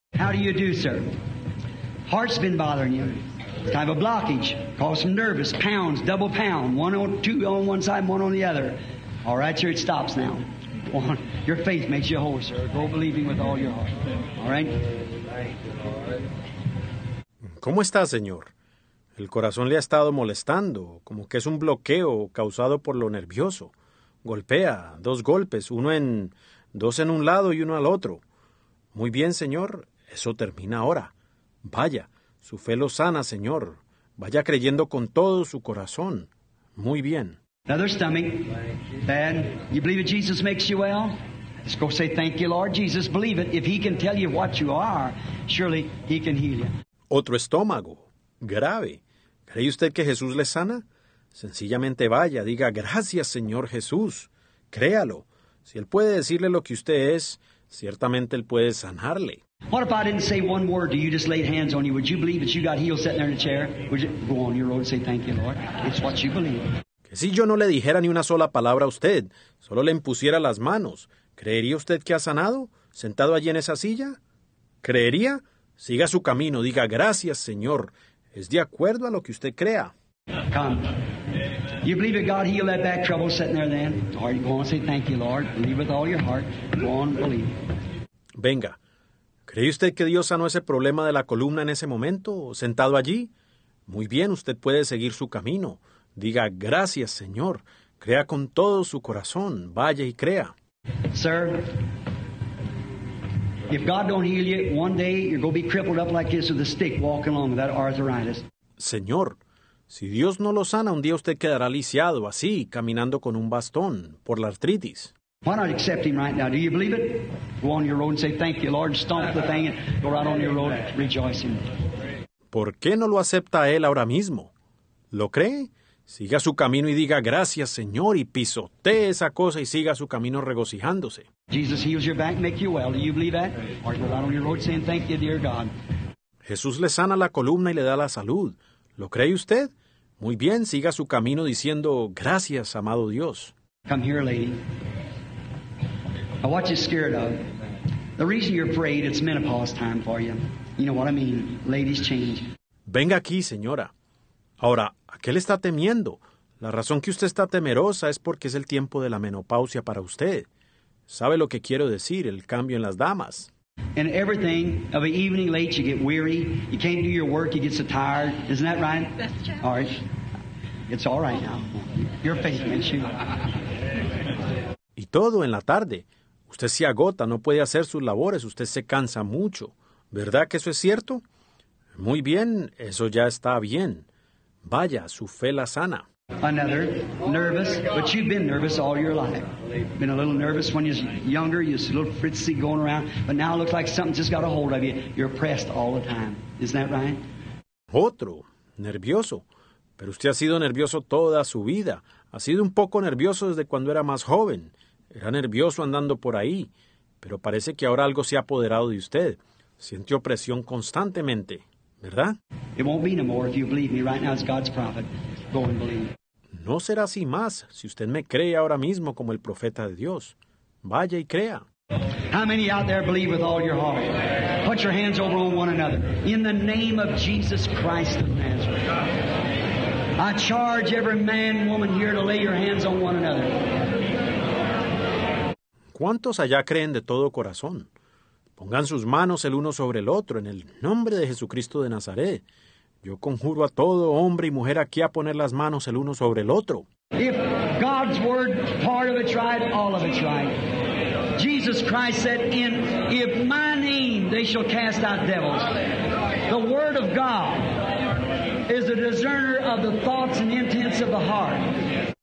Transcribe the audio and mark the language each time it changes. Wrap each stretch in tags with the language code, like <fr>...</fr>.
<en>How do you do, sir? Heart's been bothering you. It's kind of a blockage. Cause some nervous. Pounds, double pound. One on two on one side, one on the other. All right, sir, it stops now. Your faith makes you whole, sir. Go believing with all your heart. All right?</en> <es>¿Cómo está, Señor? El corazón le ha estado molestando, como que es un bloqueo causado por lo nervioso. Golpea, dos golpes, dos en un lado y uno al otro. Muy bien, Señor, eso termina ahora. Vaya, su fe lo sana, Señor. Vaya creyendo con todo su corazón. Muy bien.</es> <en>Another stomach. Bad. You believe that Jesus makes you well? Let's go say thank you, Lord Jesus. Believe it. If he can tell you what you are, surely he can heal you.</en> <es>Otro estómago. Grave. ¿Cree usted que Jesús le sana? Sencillamente vaya, diga, gracias, Señor Jesús. Créalo. Si Él puede decirle lo que usted es, ciertamente Él puede sanarle.</es> <en>What if I didn't say one word to you, just laid hands on you? Would you believe that you got healed sitting there in a chair? Would you go on your road and say, thank you, Lord? It's what you believe.</en> <es>Que si yo no le dijera ni una sola palabra a usted, solo le impusiera las manos, ¿creería usted que ha sanado, sentado allí en esa silla? ¿Creería? Siga su camino, diga, gracias, Señor. Es de acuerdo a lo que usted crea.</es> <en>Come. You believe that God healed that back trouble sitting there then? Or you go on and say, thank you, Lord. Believe with all your heart. Go on, believe.</en> <es>Venga. ¿Cree usted que Dios sanó ese problema de la columna en ese momento, sentado allí? Muy bien, usted puede seguir su camino. Diga, gracias, Señor. Crea con todo su corazón. Vaya y crea.</es> <en>Sir, if God don't heal you, one day you're going to be crippled up like this with a stick walking along with that arthritis.</en> <es>Señor, si Dios no lo sana, un día usted quedará lisiado, así, caminando con un bastón, por la artritis.</es> <en>Why not accept him right now? Do you believe it? Go on your road and say, thank you, Lord. Stomp the thing and go right on your road rejoicing.</en> <es>¿Por qué no lo acepta él ahora mismo? ¿Lo cree? Siga su camino y diga, gracias, Señor, y pisotee esa cosa y siga su camino regocijándose.</es> <en>Jesus heals your back, make you well. Do you believe that? Or go right on your road saying, thank you, dear God.</en> <es>Jesús le sana la columna y le da la salud. ¿Lo cree usted? Muy bien, siga su camino diciendo, gracias, amado Dios.</es> <en>Come here, lady. Now, what you're scared of? The reason you're afraid, it's menopause time for you. You know what I mean? Ladies change.</en> <es>Venga aquí, señora. Ahora, ¿a qué le está temiendo? La razón que usted está temerosa es porque es el tiempo de la menopausia para usted. ¿Sabe lo que quiero decir? El cambio en las damas.</es> <en>In everything, of an evening late, you get weary. You can't do your work, you get so tired. Isn't that right? That's true. All right. It's all right now. Your faith makes you.</en> <es>Y todo en la tarde. Usted se agota, no puede hacer sus labores, usted se cansa mucho. ¿Verdad que eso es cierto? Muy bien, eso ya está bien. Vaya, su fe la sana.</es> <en>Another, nervous, but you've been nervous all your life. Been a little nervous when you was younger, you was a little fritzy going around, but now it looks like something's just got a hold of you. You're pressed all the time. Isn't that right?</en> <es>Otro, nervioso. Pero usted ha sido nervioso toda su vida. Ha sido un poco nervioso desde cuando era más joven. Era nervioso andando por ahí, pero parece que ahora algo se ha apoderado de usted. Siente opresión constantemente, ¿verdad?</es> <en>It won't be no more if you believe me right now as God's prophet. go and believe.</en> <es>No será así más si usted me cree ahora mismo como el profeta de Dios. Vaya y crea.</es> <en>How many out there believe with all your heart? Put your hands over on one another. In the name of Jesus Christ of Nazareth. I charge every man and woman here to lay your hands on one another.</en> <es>¿Cuántos allá creen de todo corazón? Pongan sus manos el uno sobre el otro en el nombre de Jesucristo de Nazaret. Yo conjuro a todo hombre y mujer aquí a poner las manos el uno sobre el otro.</es> <en>If God's word, part of it's right, all of it's right. Jesus Christ said, in if my name they shall cast out devils. The word of God is a discerner of the thoughts and intents of the heart.</en>